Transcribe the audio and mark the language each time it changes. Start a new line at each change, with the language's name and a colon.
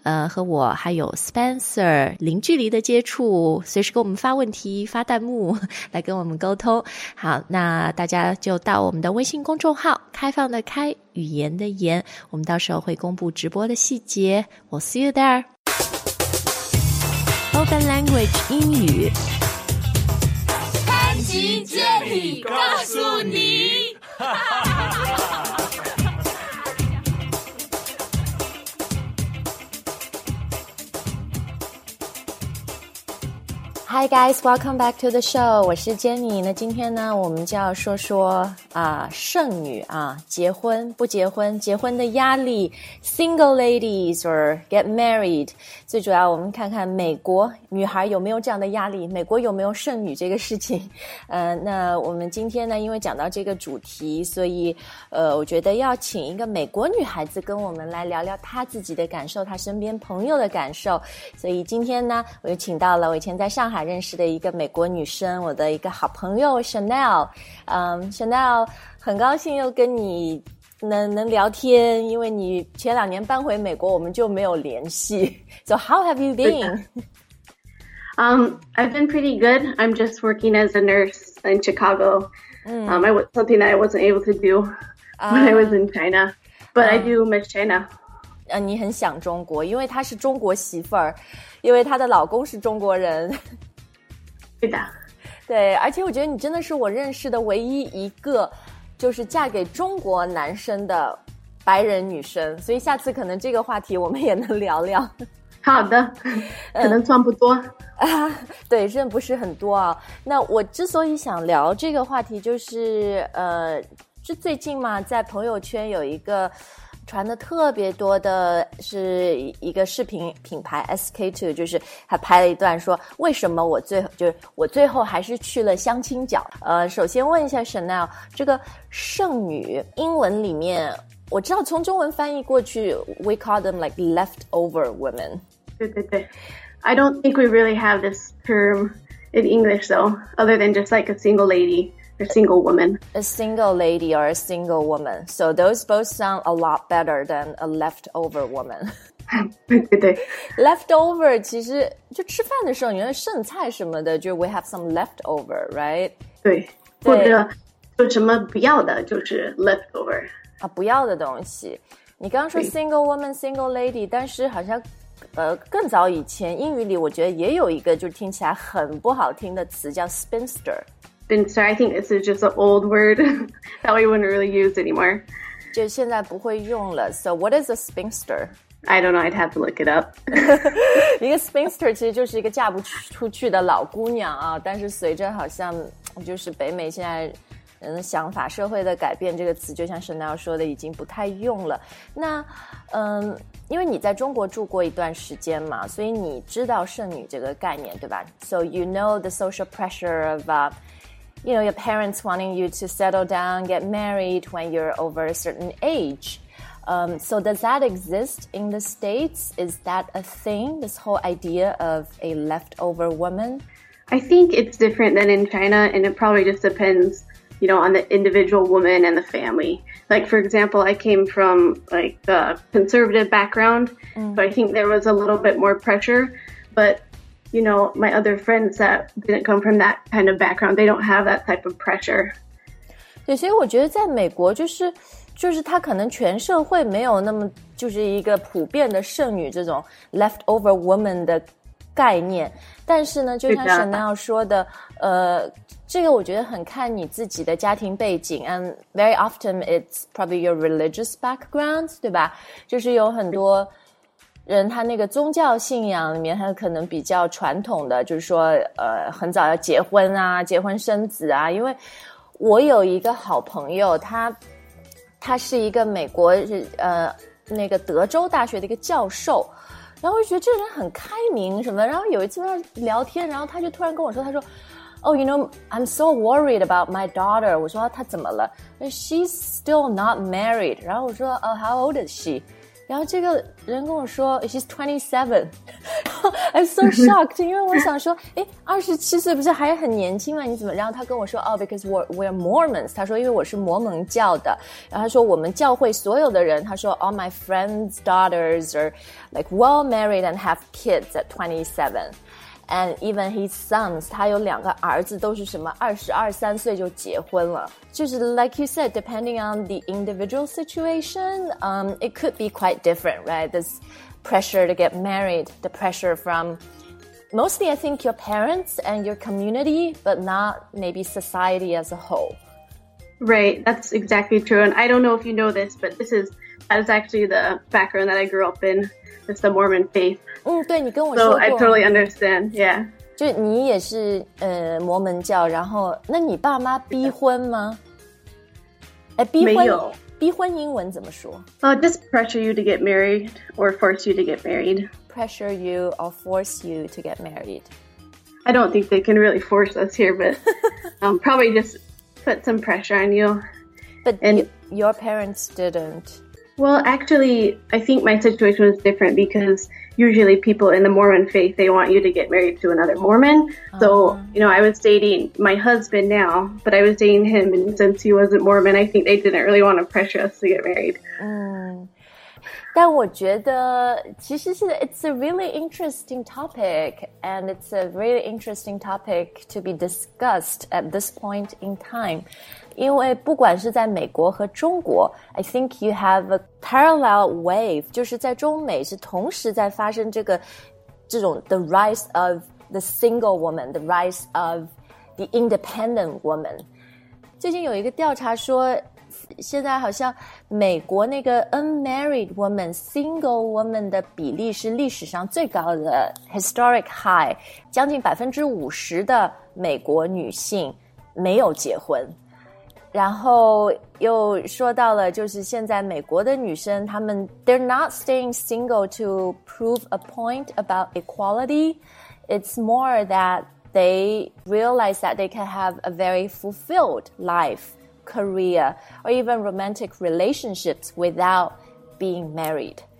Chinese: 和我还有 Spencer 零距离的接触，随时给我们发问题、发弹幕来跟我们沟通。好，那大家就到我们的微信公众号“开放的开，语言的言”，我们到时候会公布直播的细节。
English: We'll see you there. Open language 英语，
Chinese: 潘吉杰里告诉你。
English: Hi guys, welcome back to the show.
Chinese: 我是 Jenny. 那今天呢，我们就要说说剩女啊，结婚不结婚，结婚的压力 ，
English: single ladies or get married.
Chinese: 最主要，我们看看美国女孩有没有这样的压力，美国有没有剩女这个事情。那我们今天呢，因为讲到这个主题，所以我觉得要请一个美国女孩子跟我们来聊聊她自己的感受，她身边朋友的感受。所以今天呢，我就请到了我以前在上海认识的一个美国女生，我的一个好朋友 Chanel。 Chanel， 很高兴又跟你能聊天，因为你前两年搬回美国，我们就没有联系。
English: So how have you been? I've been pretty good. I'm just working as a nurse in Chicago. I was something that I wasn't able to do when I was in China, but I do miss China.
Chinese: 你很想中国，因为她是中国媳妇儿，因为她的老公是中国人。对的，对，而且我觉得你真的是我认识的唯一一个就是嫁给中国男生的白人女生，所以下次可能这个话题我们也能聊聊。好的，可能算不多对，真的不是很多啊。那我之所以想聊这个话题，就是是最近嘛，在朋友圈有一个传的特别多的是一个视频品牌 SK2， 就是还拍了一段说为什么我最后还是去了相亲角。首先问一下 Chanel， 这个剩女英文里面，我知道从中文翻译过去
English: we call them like leftover women。
Chinese: 对对对，
English: I don't think we really have this term in English though, other than just like a single ladyA single lady or a single woman. So those both sound a lot better than a leftover woman.
Chinese: 对对对 Leftover 其实就吃饭的时候，你说剩菜什么的，就
English: we have some leftover, right?
Chinese: 对，或者就什么不要的，就是 leftover 啊，不要的东西。你刚刚说
English: single woman, single lady,
Chinese: 但是好像更早以前英语里，我觉得也有一个就听起来很不好听的词叫 spinster。
English: Spinster, I think this is just an old word that we wouldn't really use anymore.
Chinese: 就现在不会用了。
English: So what is a spinster? I don't know, I'd have to look it up.
Chinese: 一个 spinster 其实就是一个嫁不出去的老姑娘啊，但是随着好像就是北美现在人的想法，社会的改变，这个词就像 Chanel 说的已经不太用了。那因为你在中国住过一段时间嘛，所以你知道剩女这个概念对吧？
English: So you know the social pressure of you know, your parents wanting you to settle down, get married when you're over a certain age. So does that exist in the States? Is that a thing, this whole idea of a leftover woman? I think it's different than in China, and it probably just depends, you know, on the individual woman and the family. Like, for example, I came from, like, the conservative background, but I think there was a little bit more pressure, but... You know, my other friends that didn't come from that kind of background, they don't have that type of pressure.
Chinese: 对，所以我觉得在美国就是他可能全社会没有那么就是一个普遍的剩女这种 leftover woman 的概念。但是呢，就像 Chanel 说的，这个我觉得很看你自己的家庭背景 ，
English: and very often it's probably your religious background,
Chinese: 对吧？就是有很多。人他那个宗教信仰里面他可能比较传统的，就是说很早要结婚啊，结婚生子啊。因为我有一个好朋友，他是一个美国那个德州大学的一个教授，然后我觉得这人很开明什么，然后有一次他聊天，然后他就突然跟我说，他说
English: Oh, you know, I'm so worried about my daughter.
Chinese: 我说他怎么了？
English: She's still not married.
Chinese: 然后我说
English: Oh, how old is she?
Chinese: 然后这个人跟我说
English: She's 27 I'm so shocked
Chinese: 因为我想说诶27岁不是还很年轻吗你怎么然后他跟我说、
English: oh, Because we're Mormons
Chinese: 他说因为我是摩门教的然后他说我们教会所有的人他说
English: All my friends daughters are like well married and have kids at 27And even his sons,
Chinese: 他有两个儿子都是什么二十二三岁就结婚了。就是
English: like you said, depending on the individual situation, it could be quite different, right? This pressure to get married, the pressure from mostly I think your parents and your community, but not maybe society as a whole. Right, that's exactly true. And I don't know if you know this, but that is actually the background that I grew up in. It's the Mormon faith.
Chinese: 嗯，对，你跟我说过。
English: So I totally understand. Yeah.
Chinese: 就你也是摩门教，然后那你爸妈逼婚吗？哎，逼婚没有。逼婚英文怎么说？
English: Just pressure you to get married or force you to get married. Pressure you or force you to get married. I don't think they can really force us here, but probably just put some pressure on you. But and your parents didn't. Well, actually, I think my situation was different because usually people in the Mormon faith, they want you to get married to another Mormon. Uh-huh. So, you know, I was dating my husband now, but I was dating him. And since he wasn't Mormon, I think they didn't really want to pressure us to get married.
Chinese: 嗯，但我觉得其实是
English: it's a really interesting topic. And it's a really interesting topic to be discussed at this point in time.
Chinese: 因为不管是在美国和中国
English: I think you have a parallel wave
Chinese: 就是在中美是同时在发生这个这种
English: the rise of the single woman the rise of the independent woman
Chinese: 最近有一个调查说现在好像美国那个
English: unmarried woman single woman
Chinese: 的比例是历史上最高的
English: historic high
Chinese: 将近 50% 的美国女性没有结婚然后又说到了就是现在美国的女生她们
English: they're not staying single to prove a point about equality. It's more that they realize that they can have a very fulfilled life, career, or even romantic relationships without being married.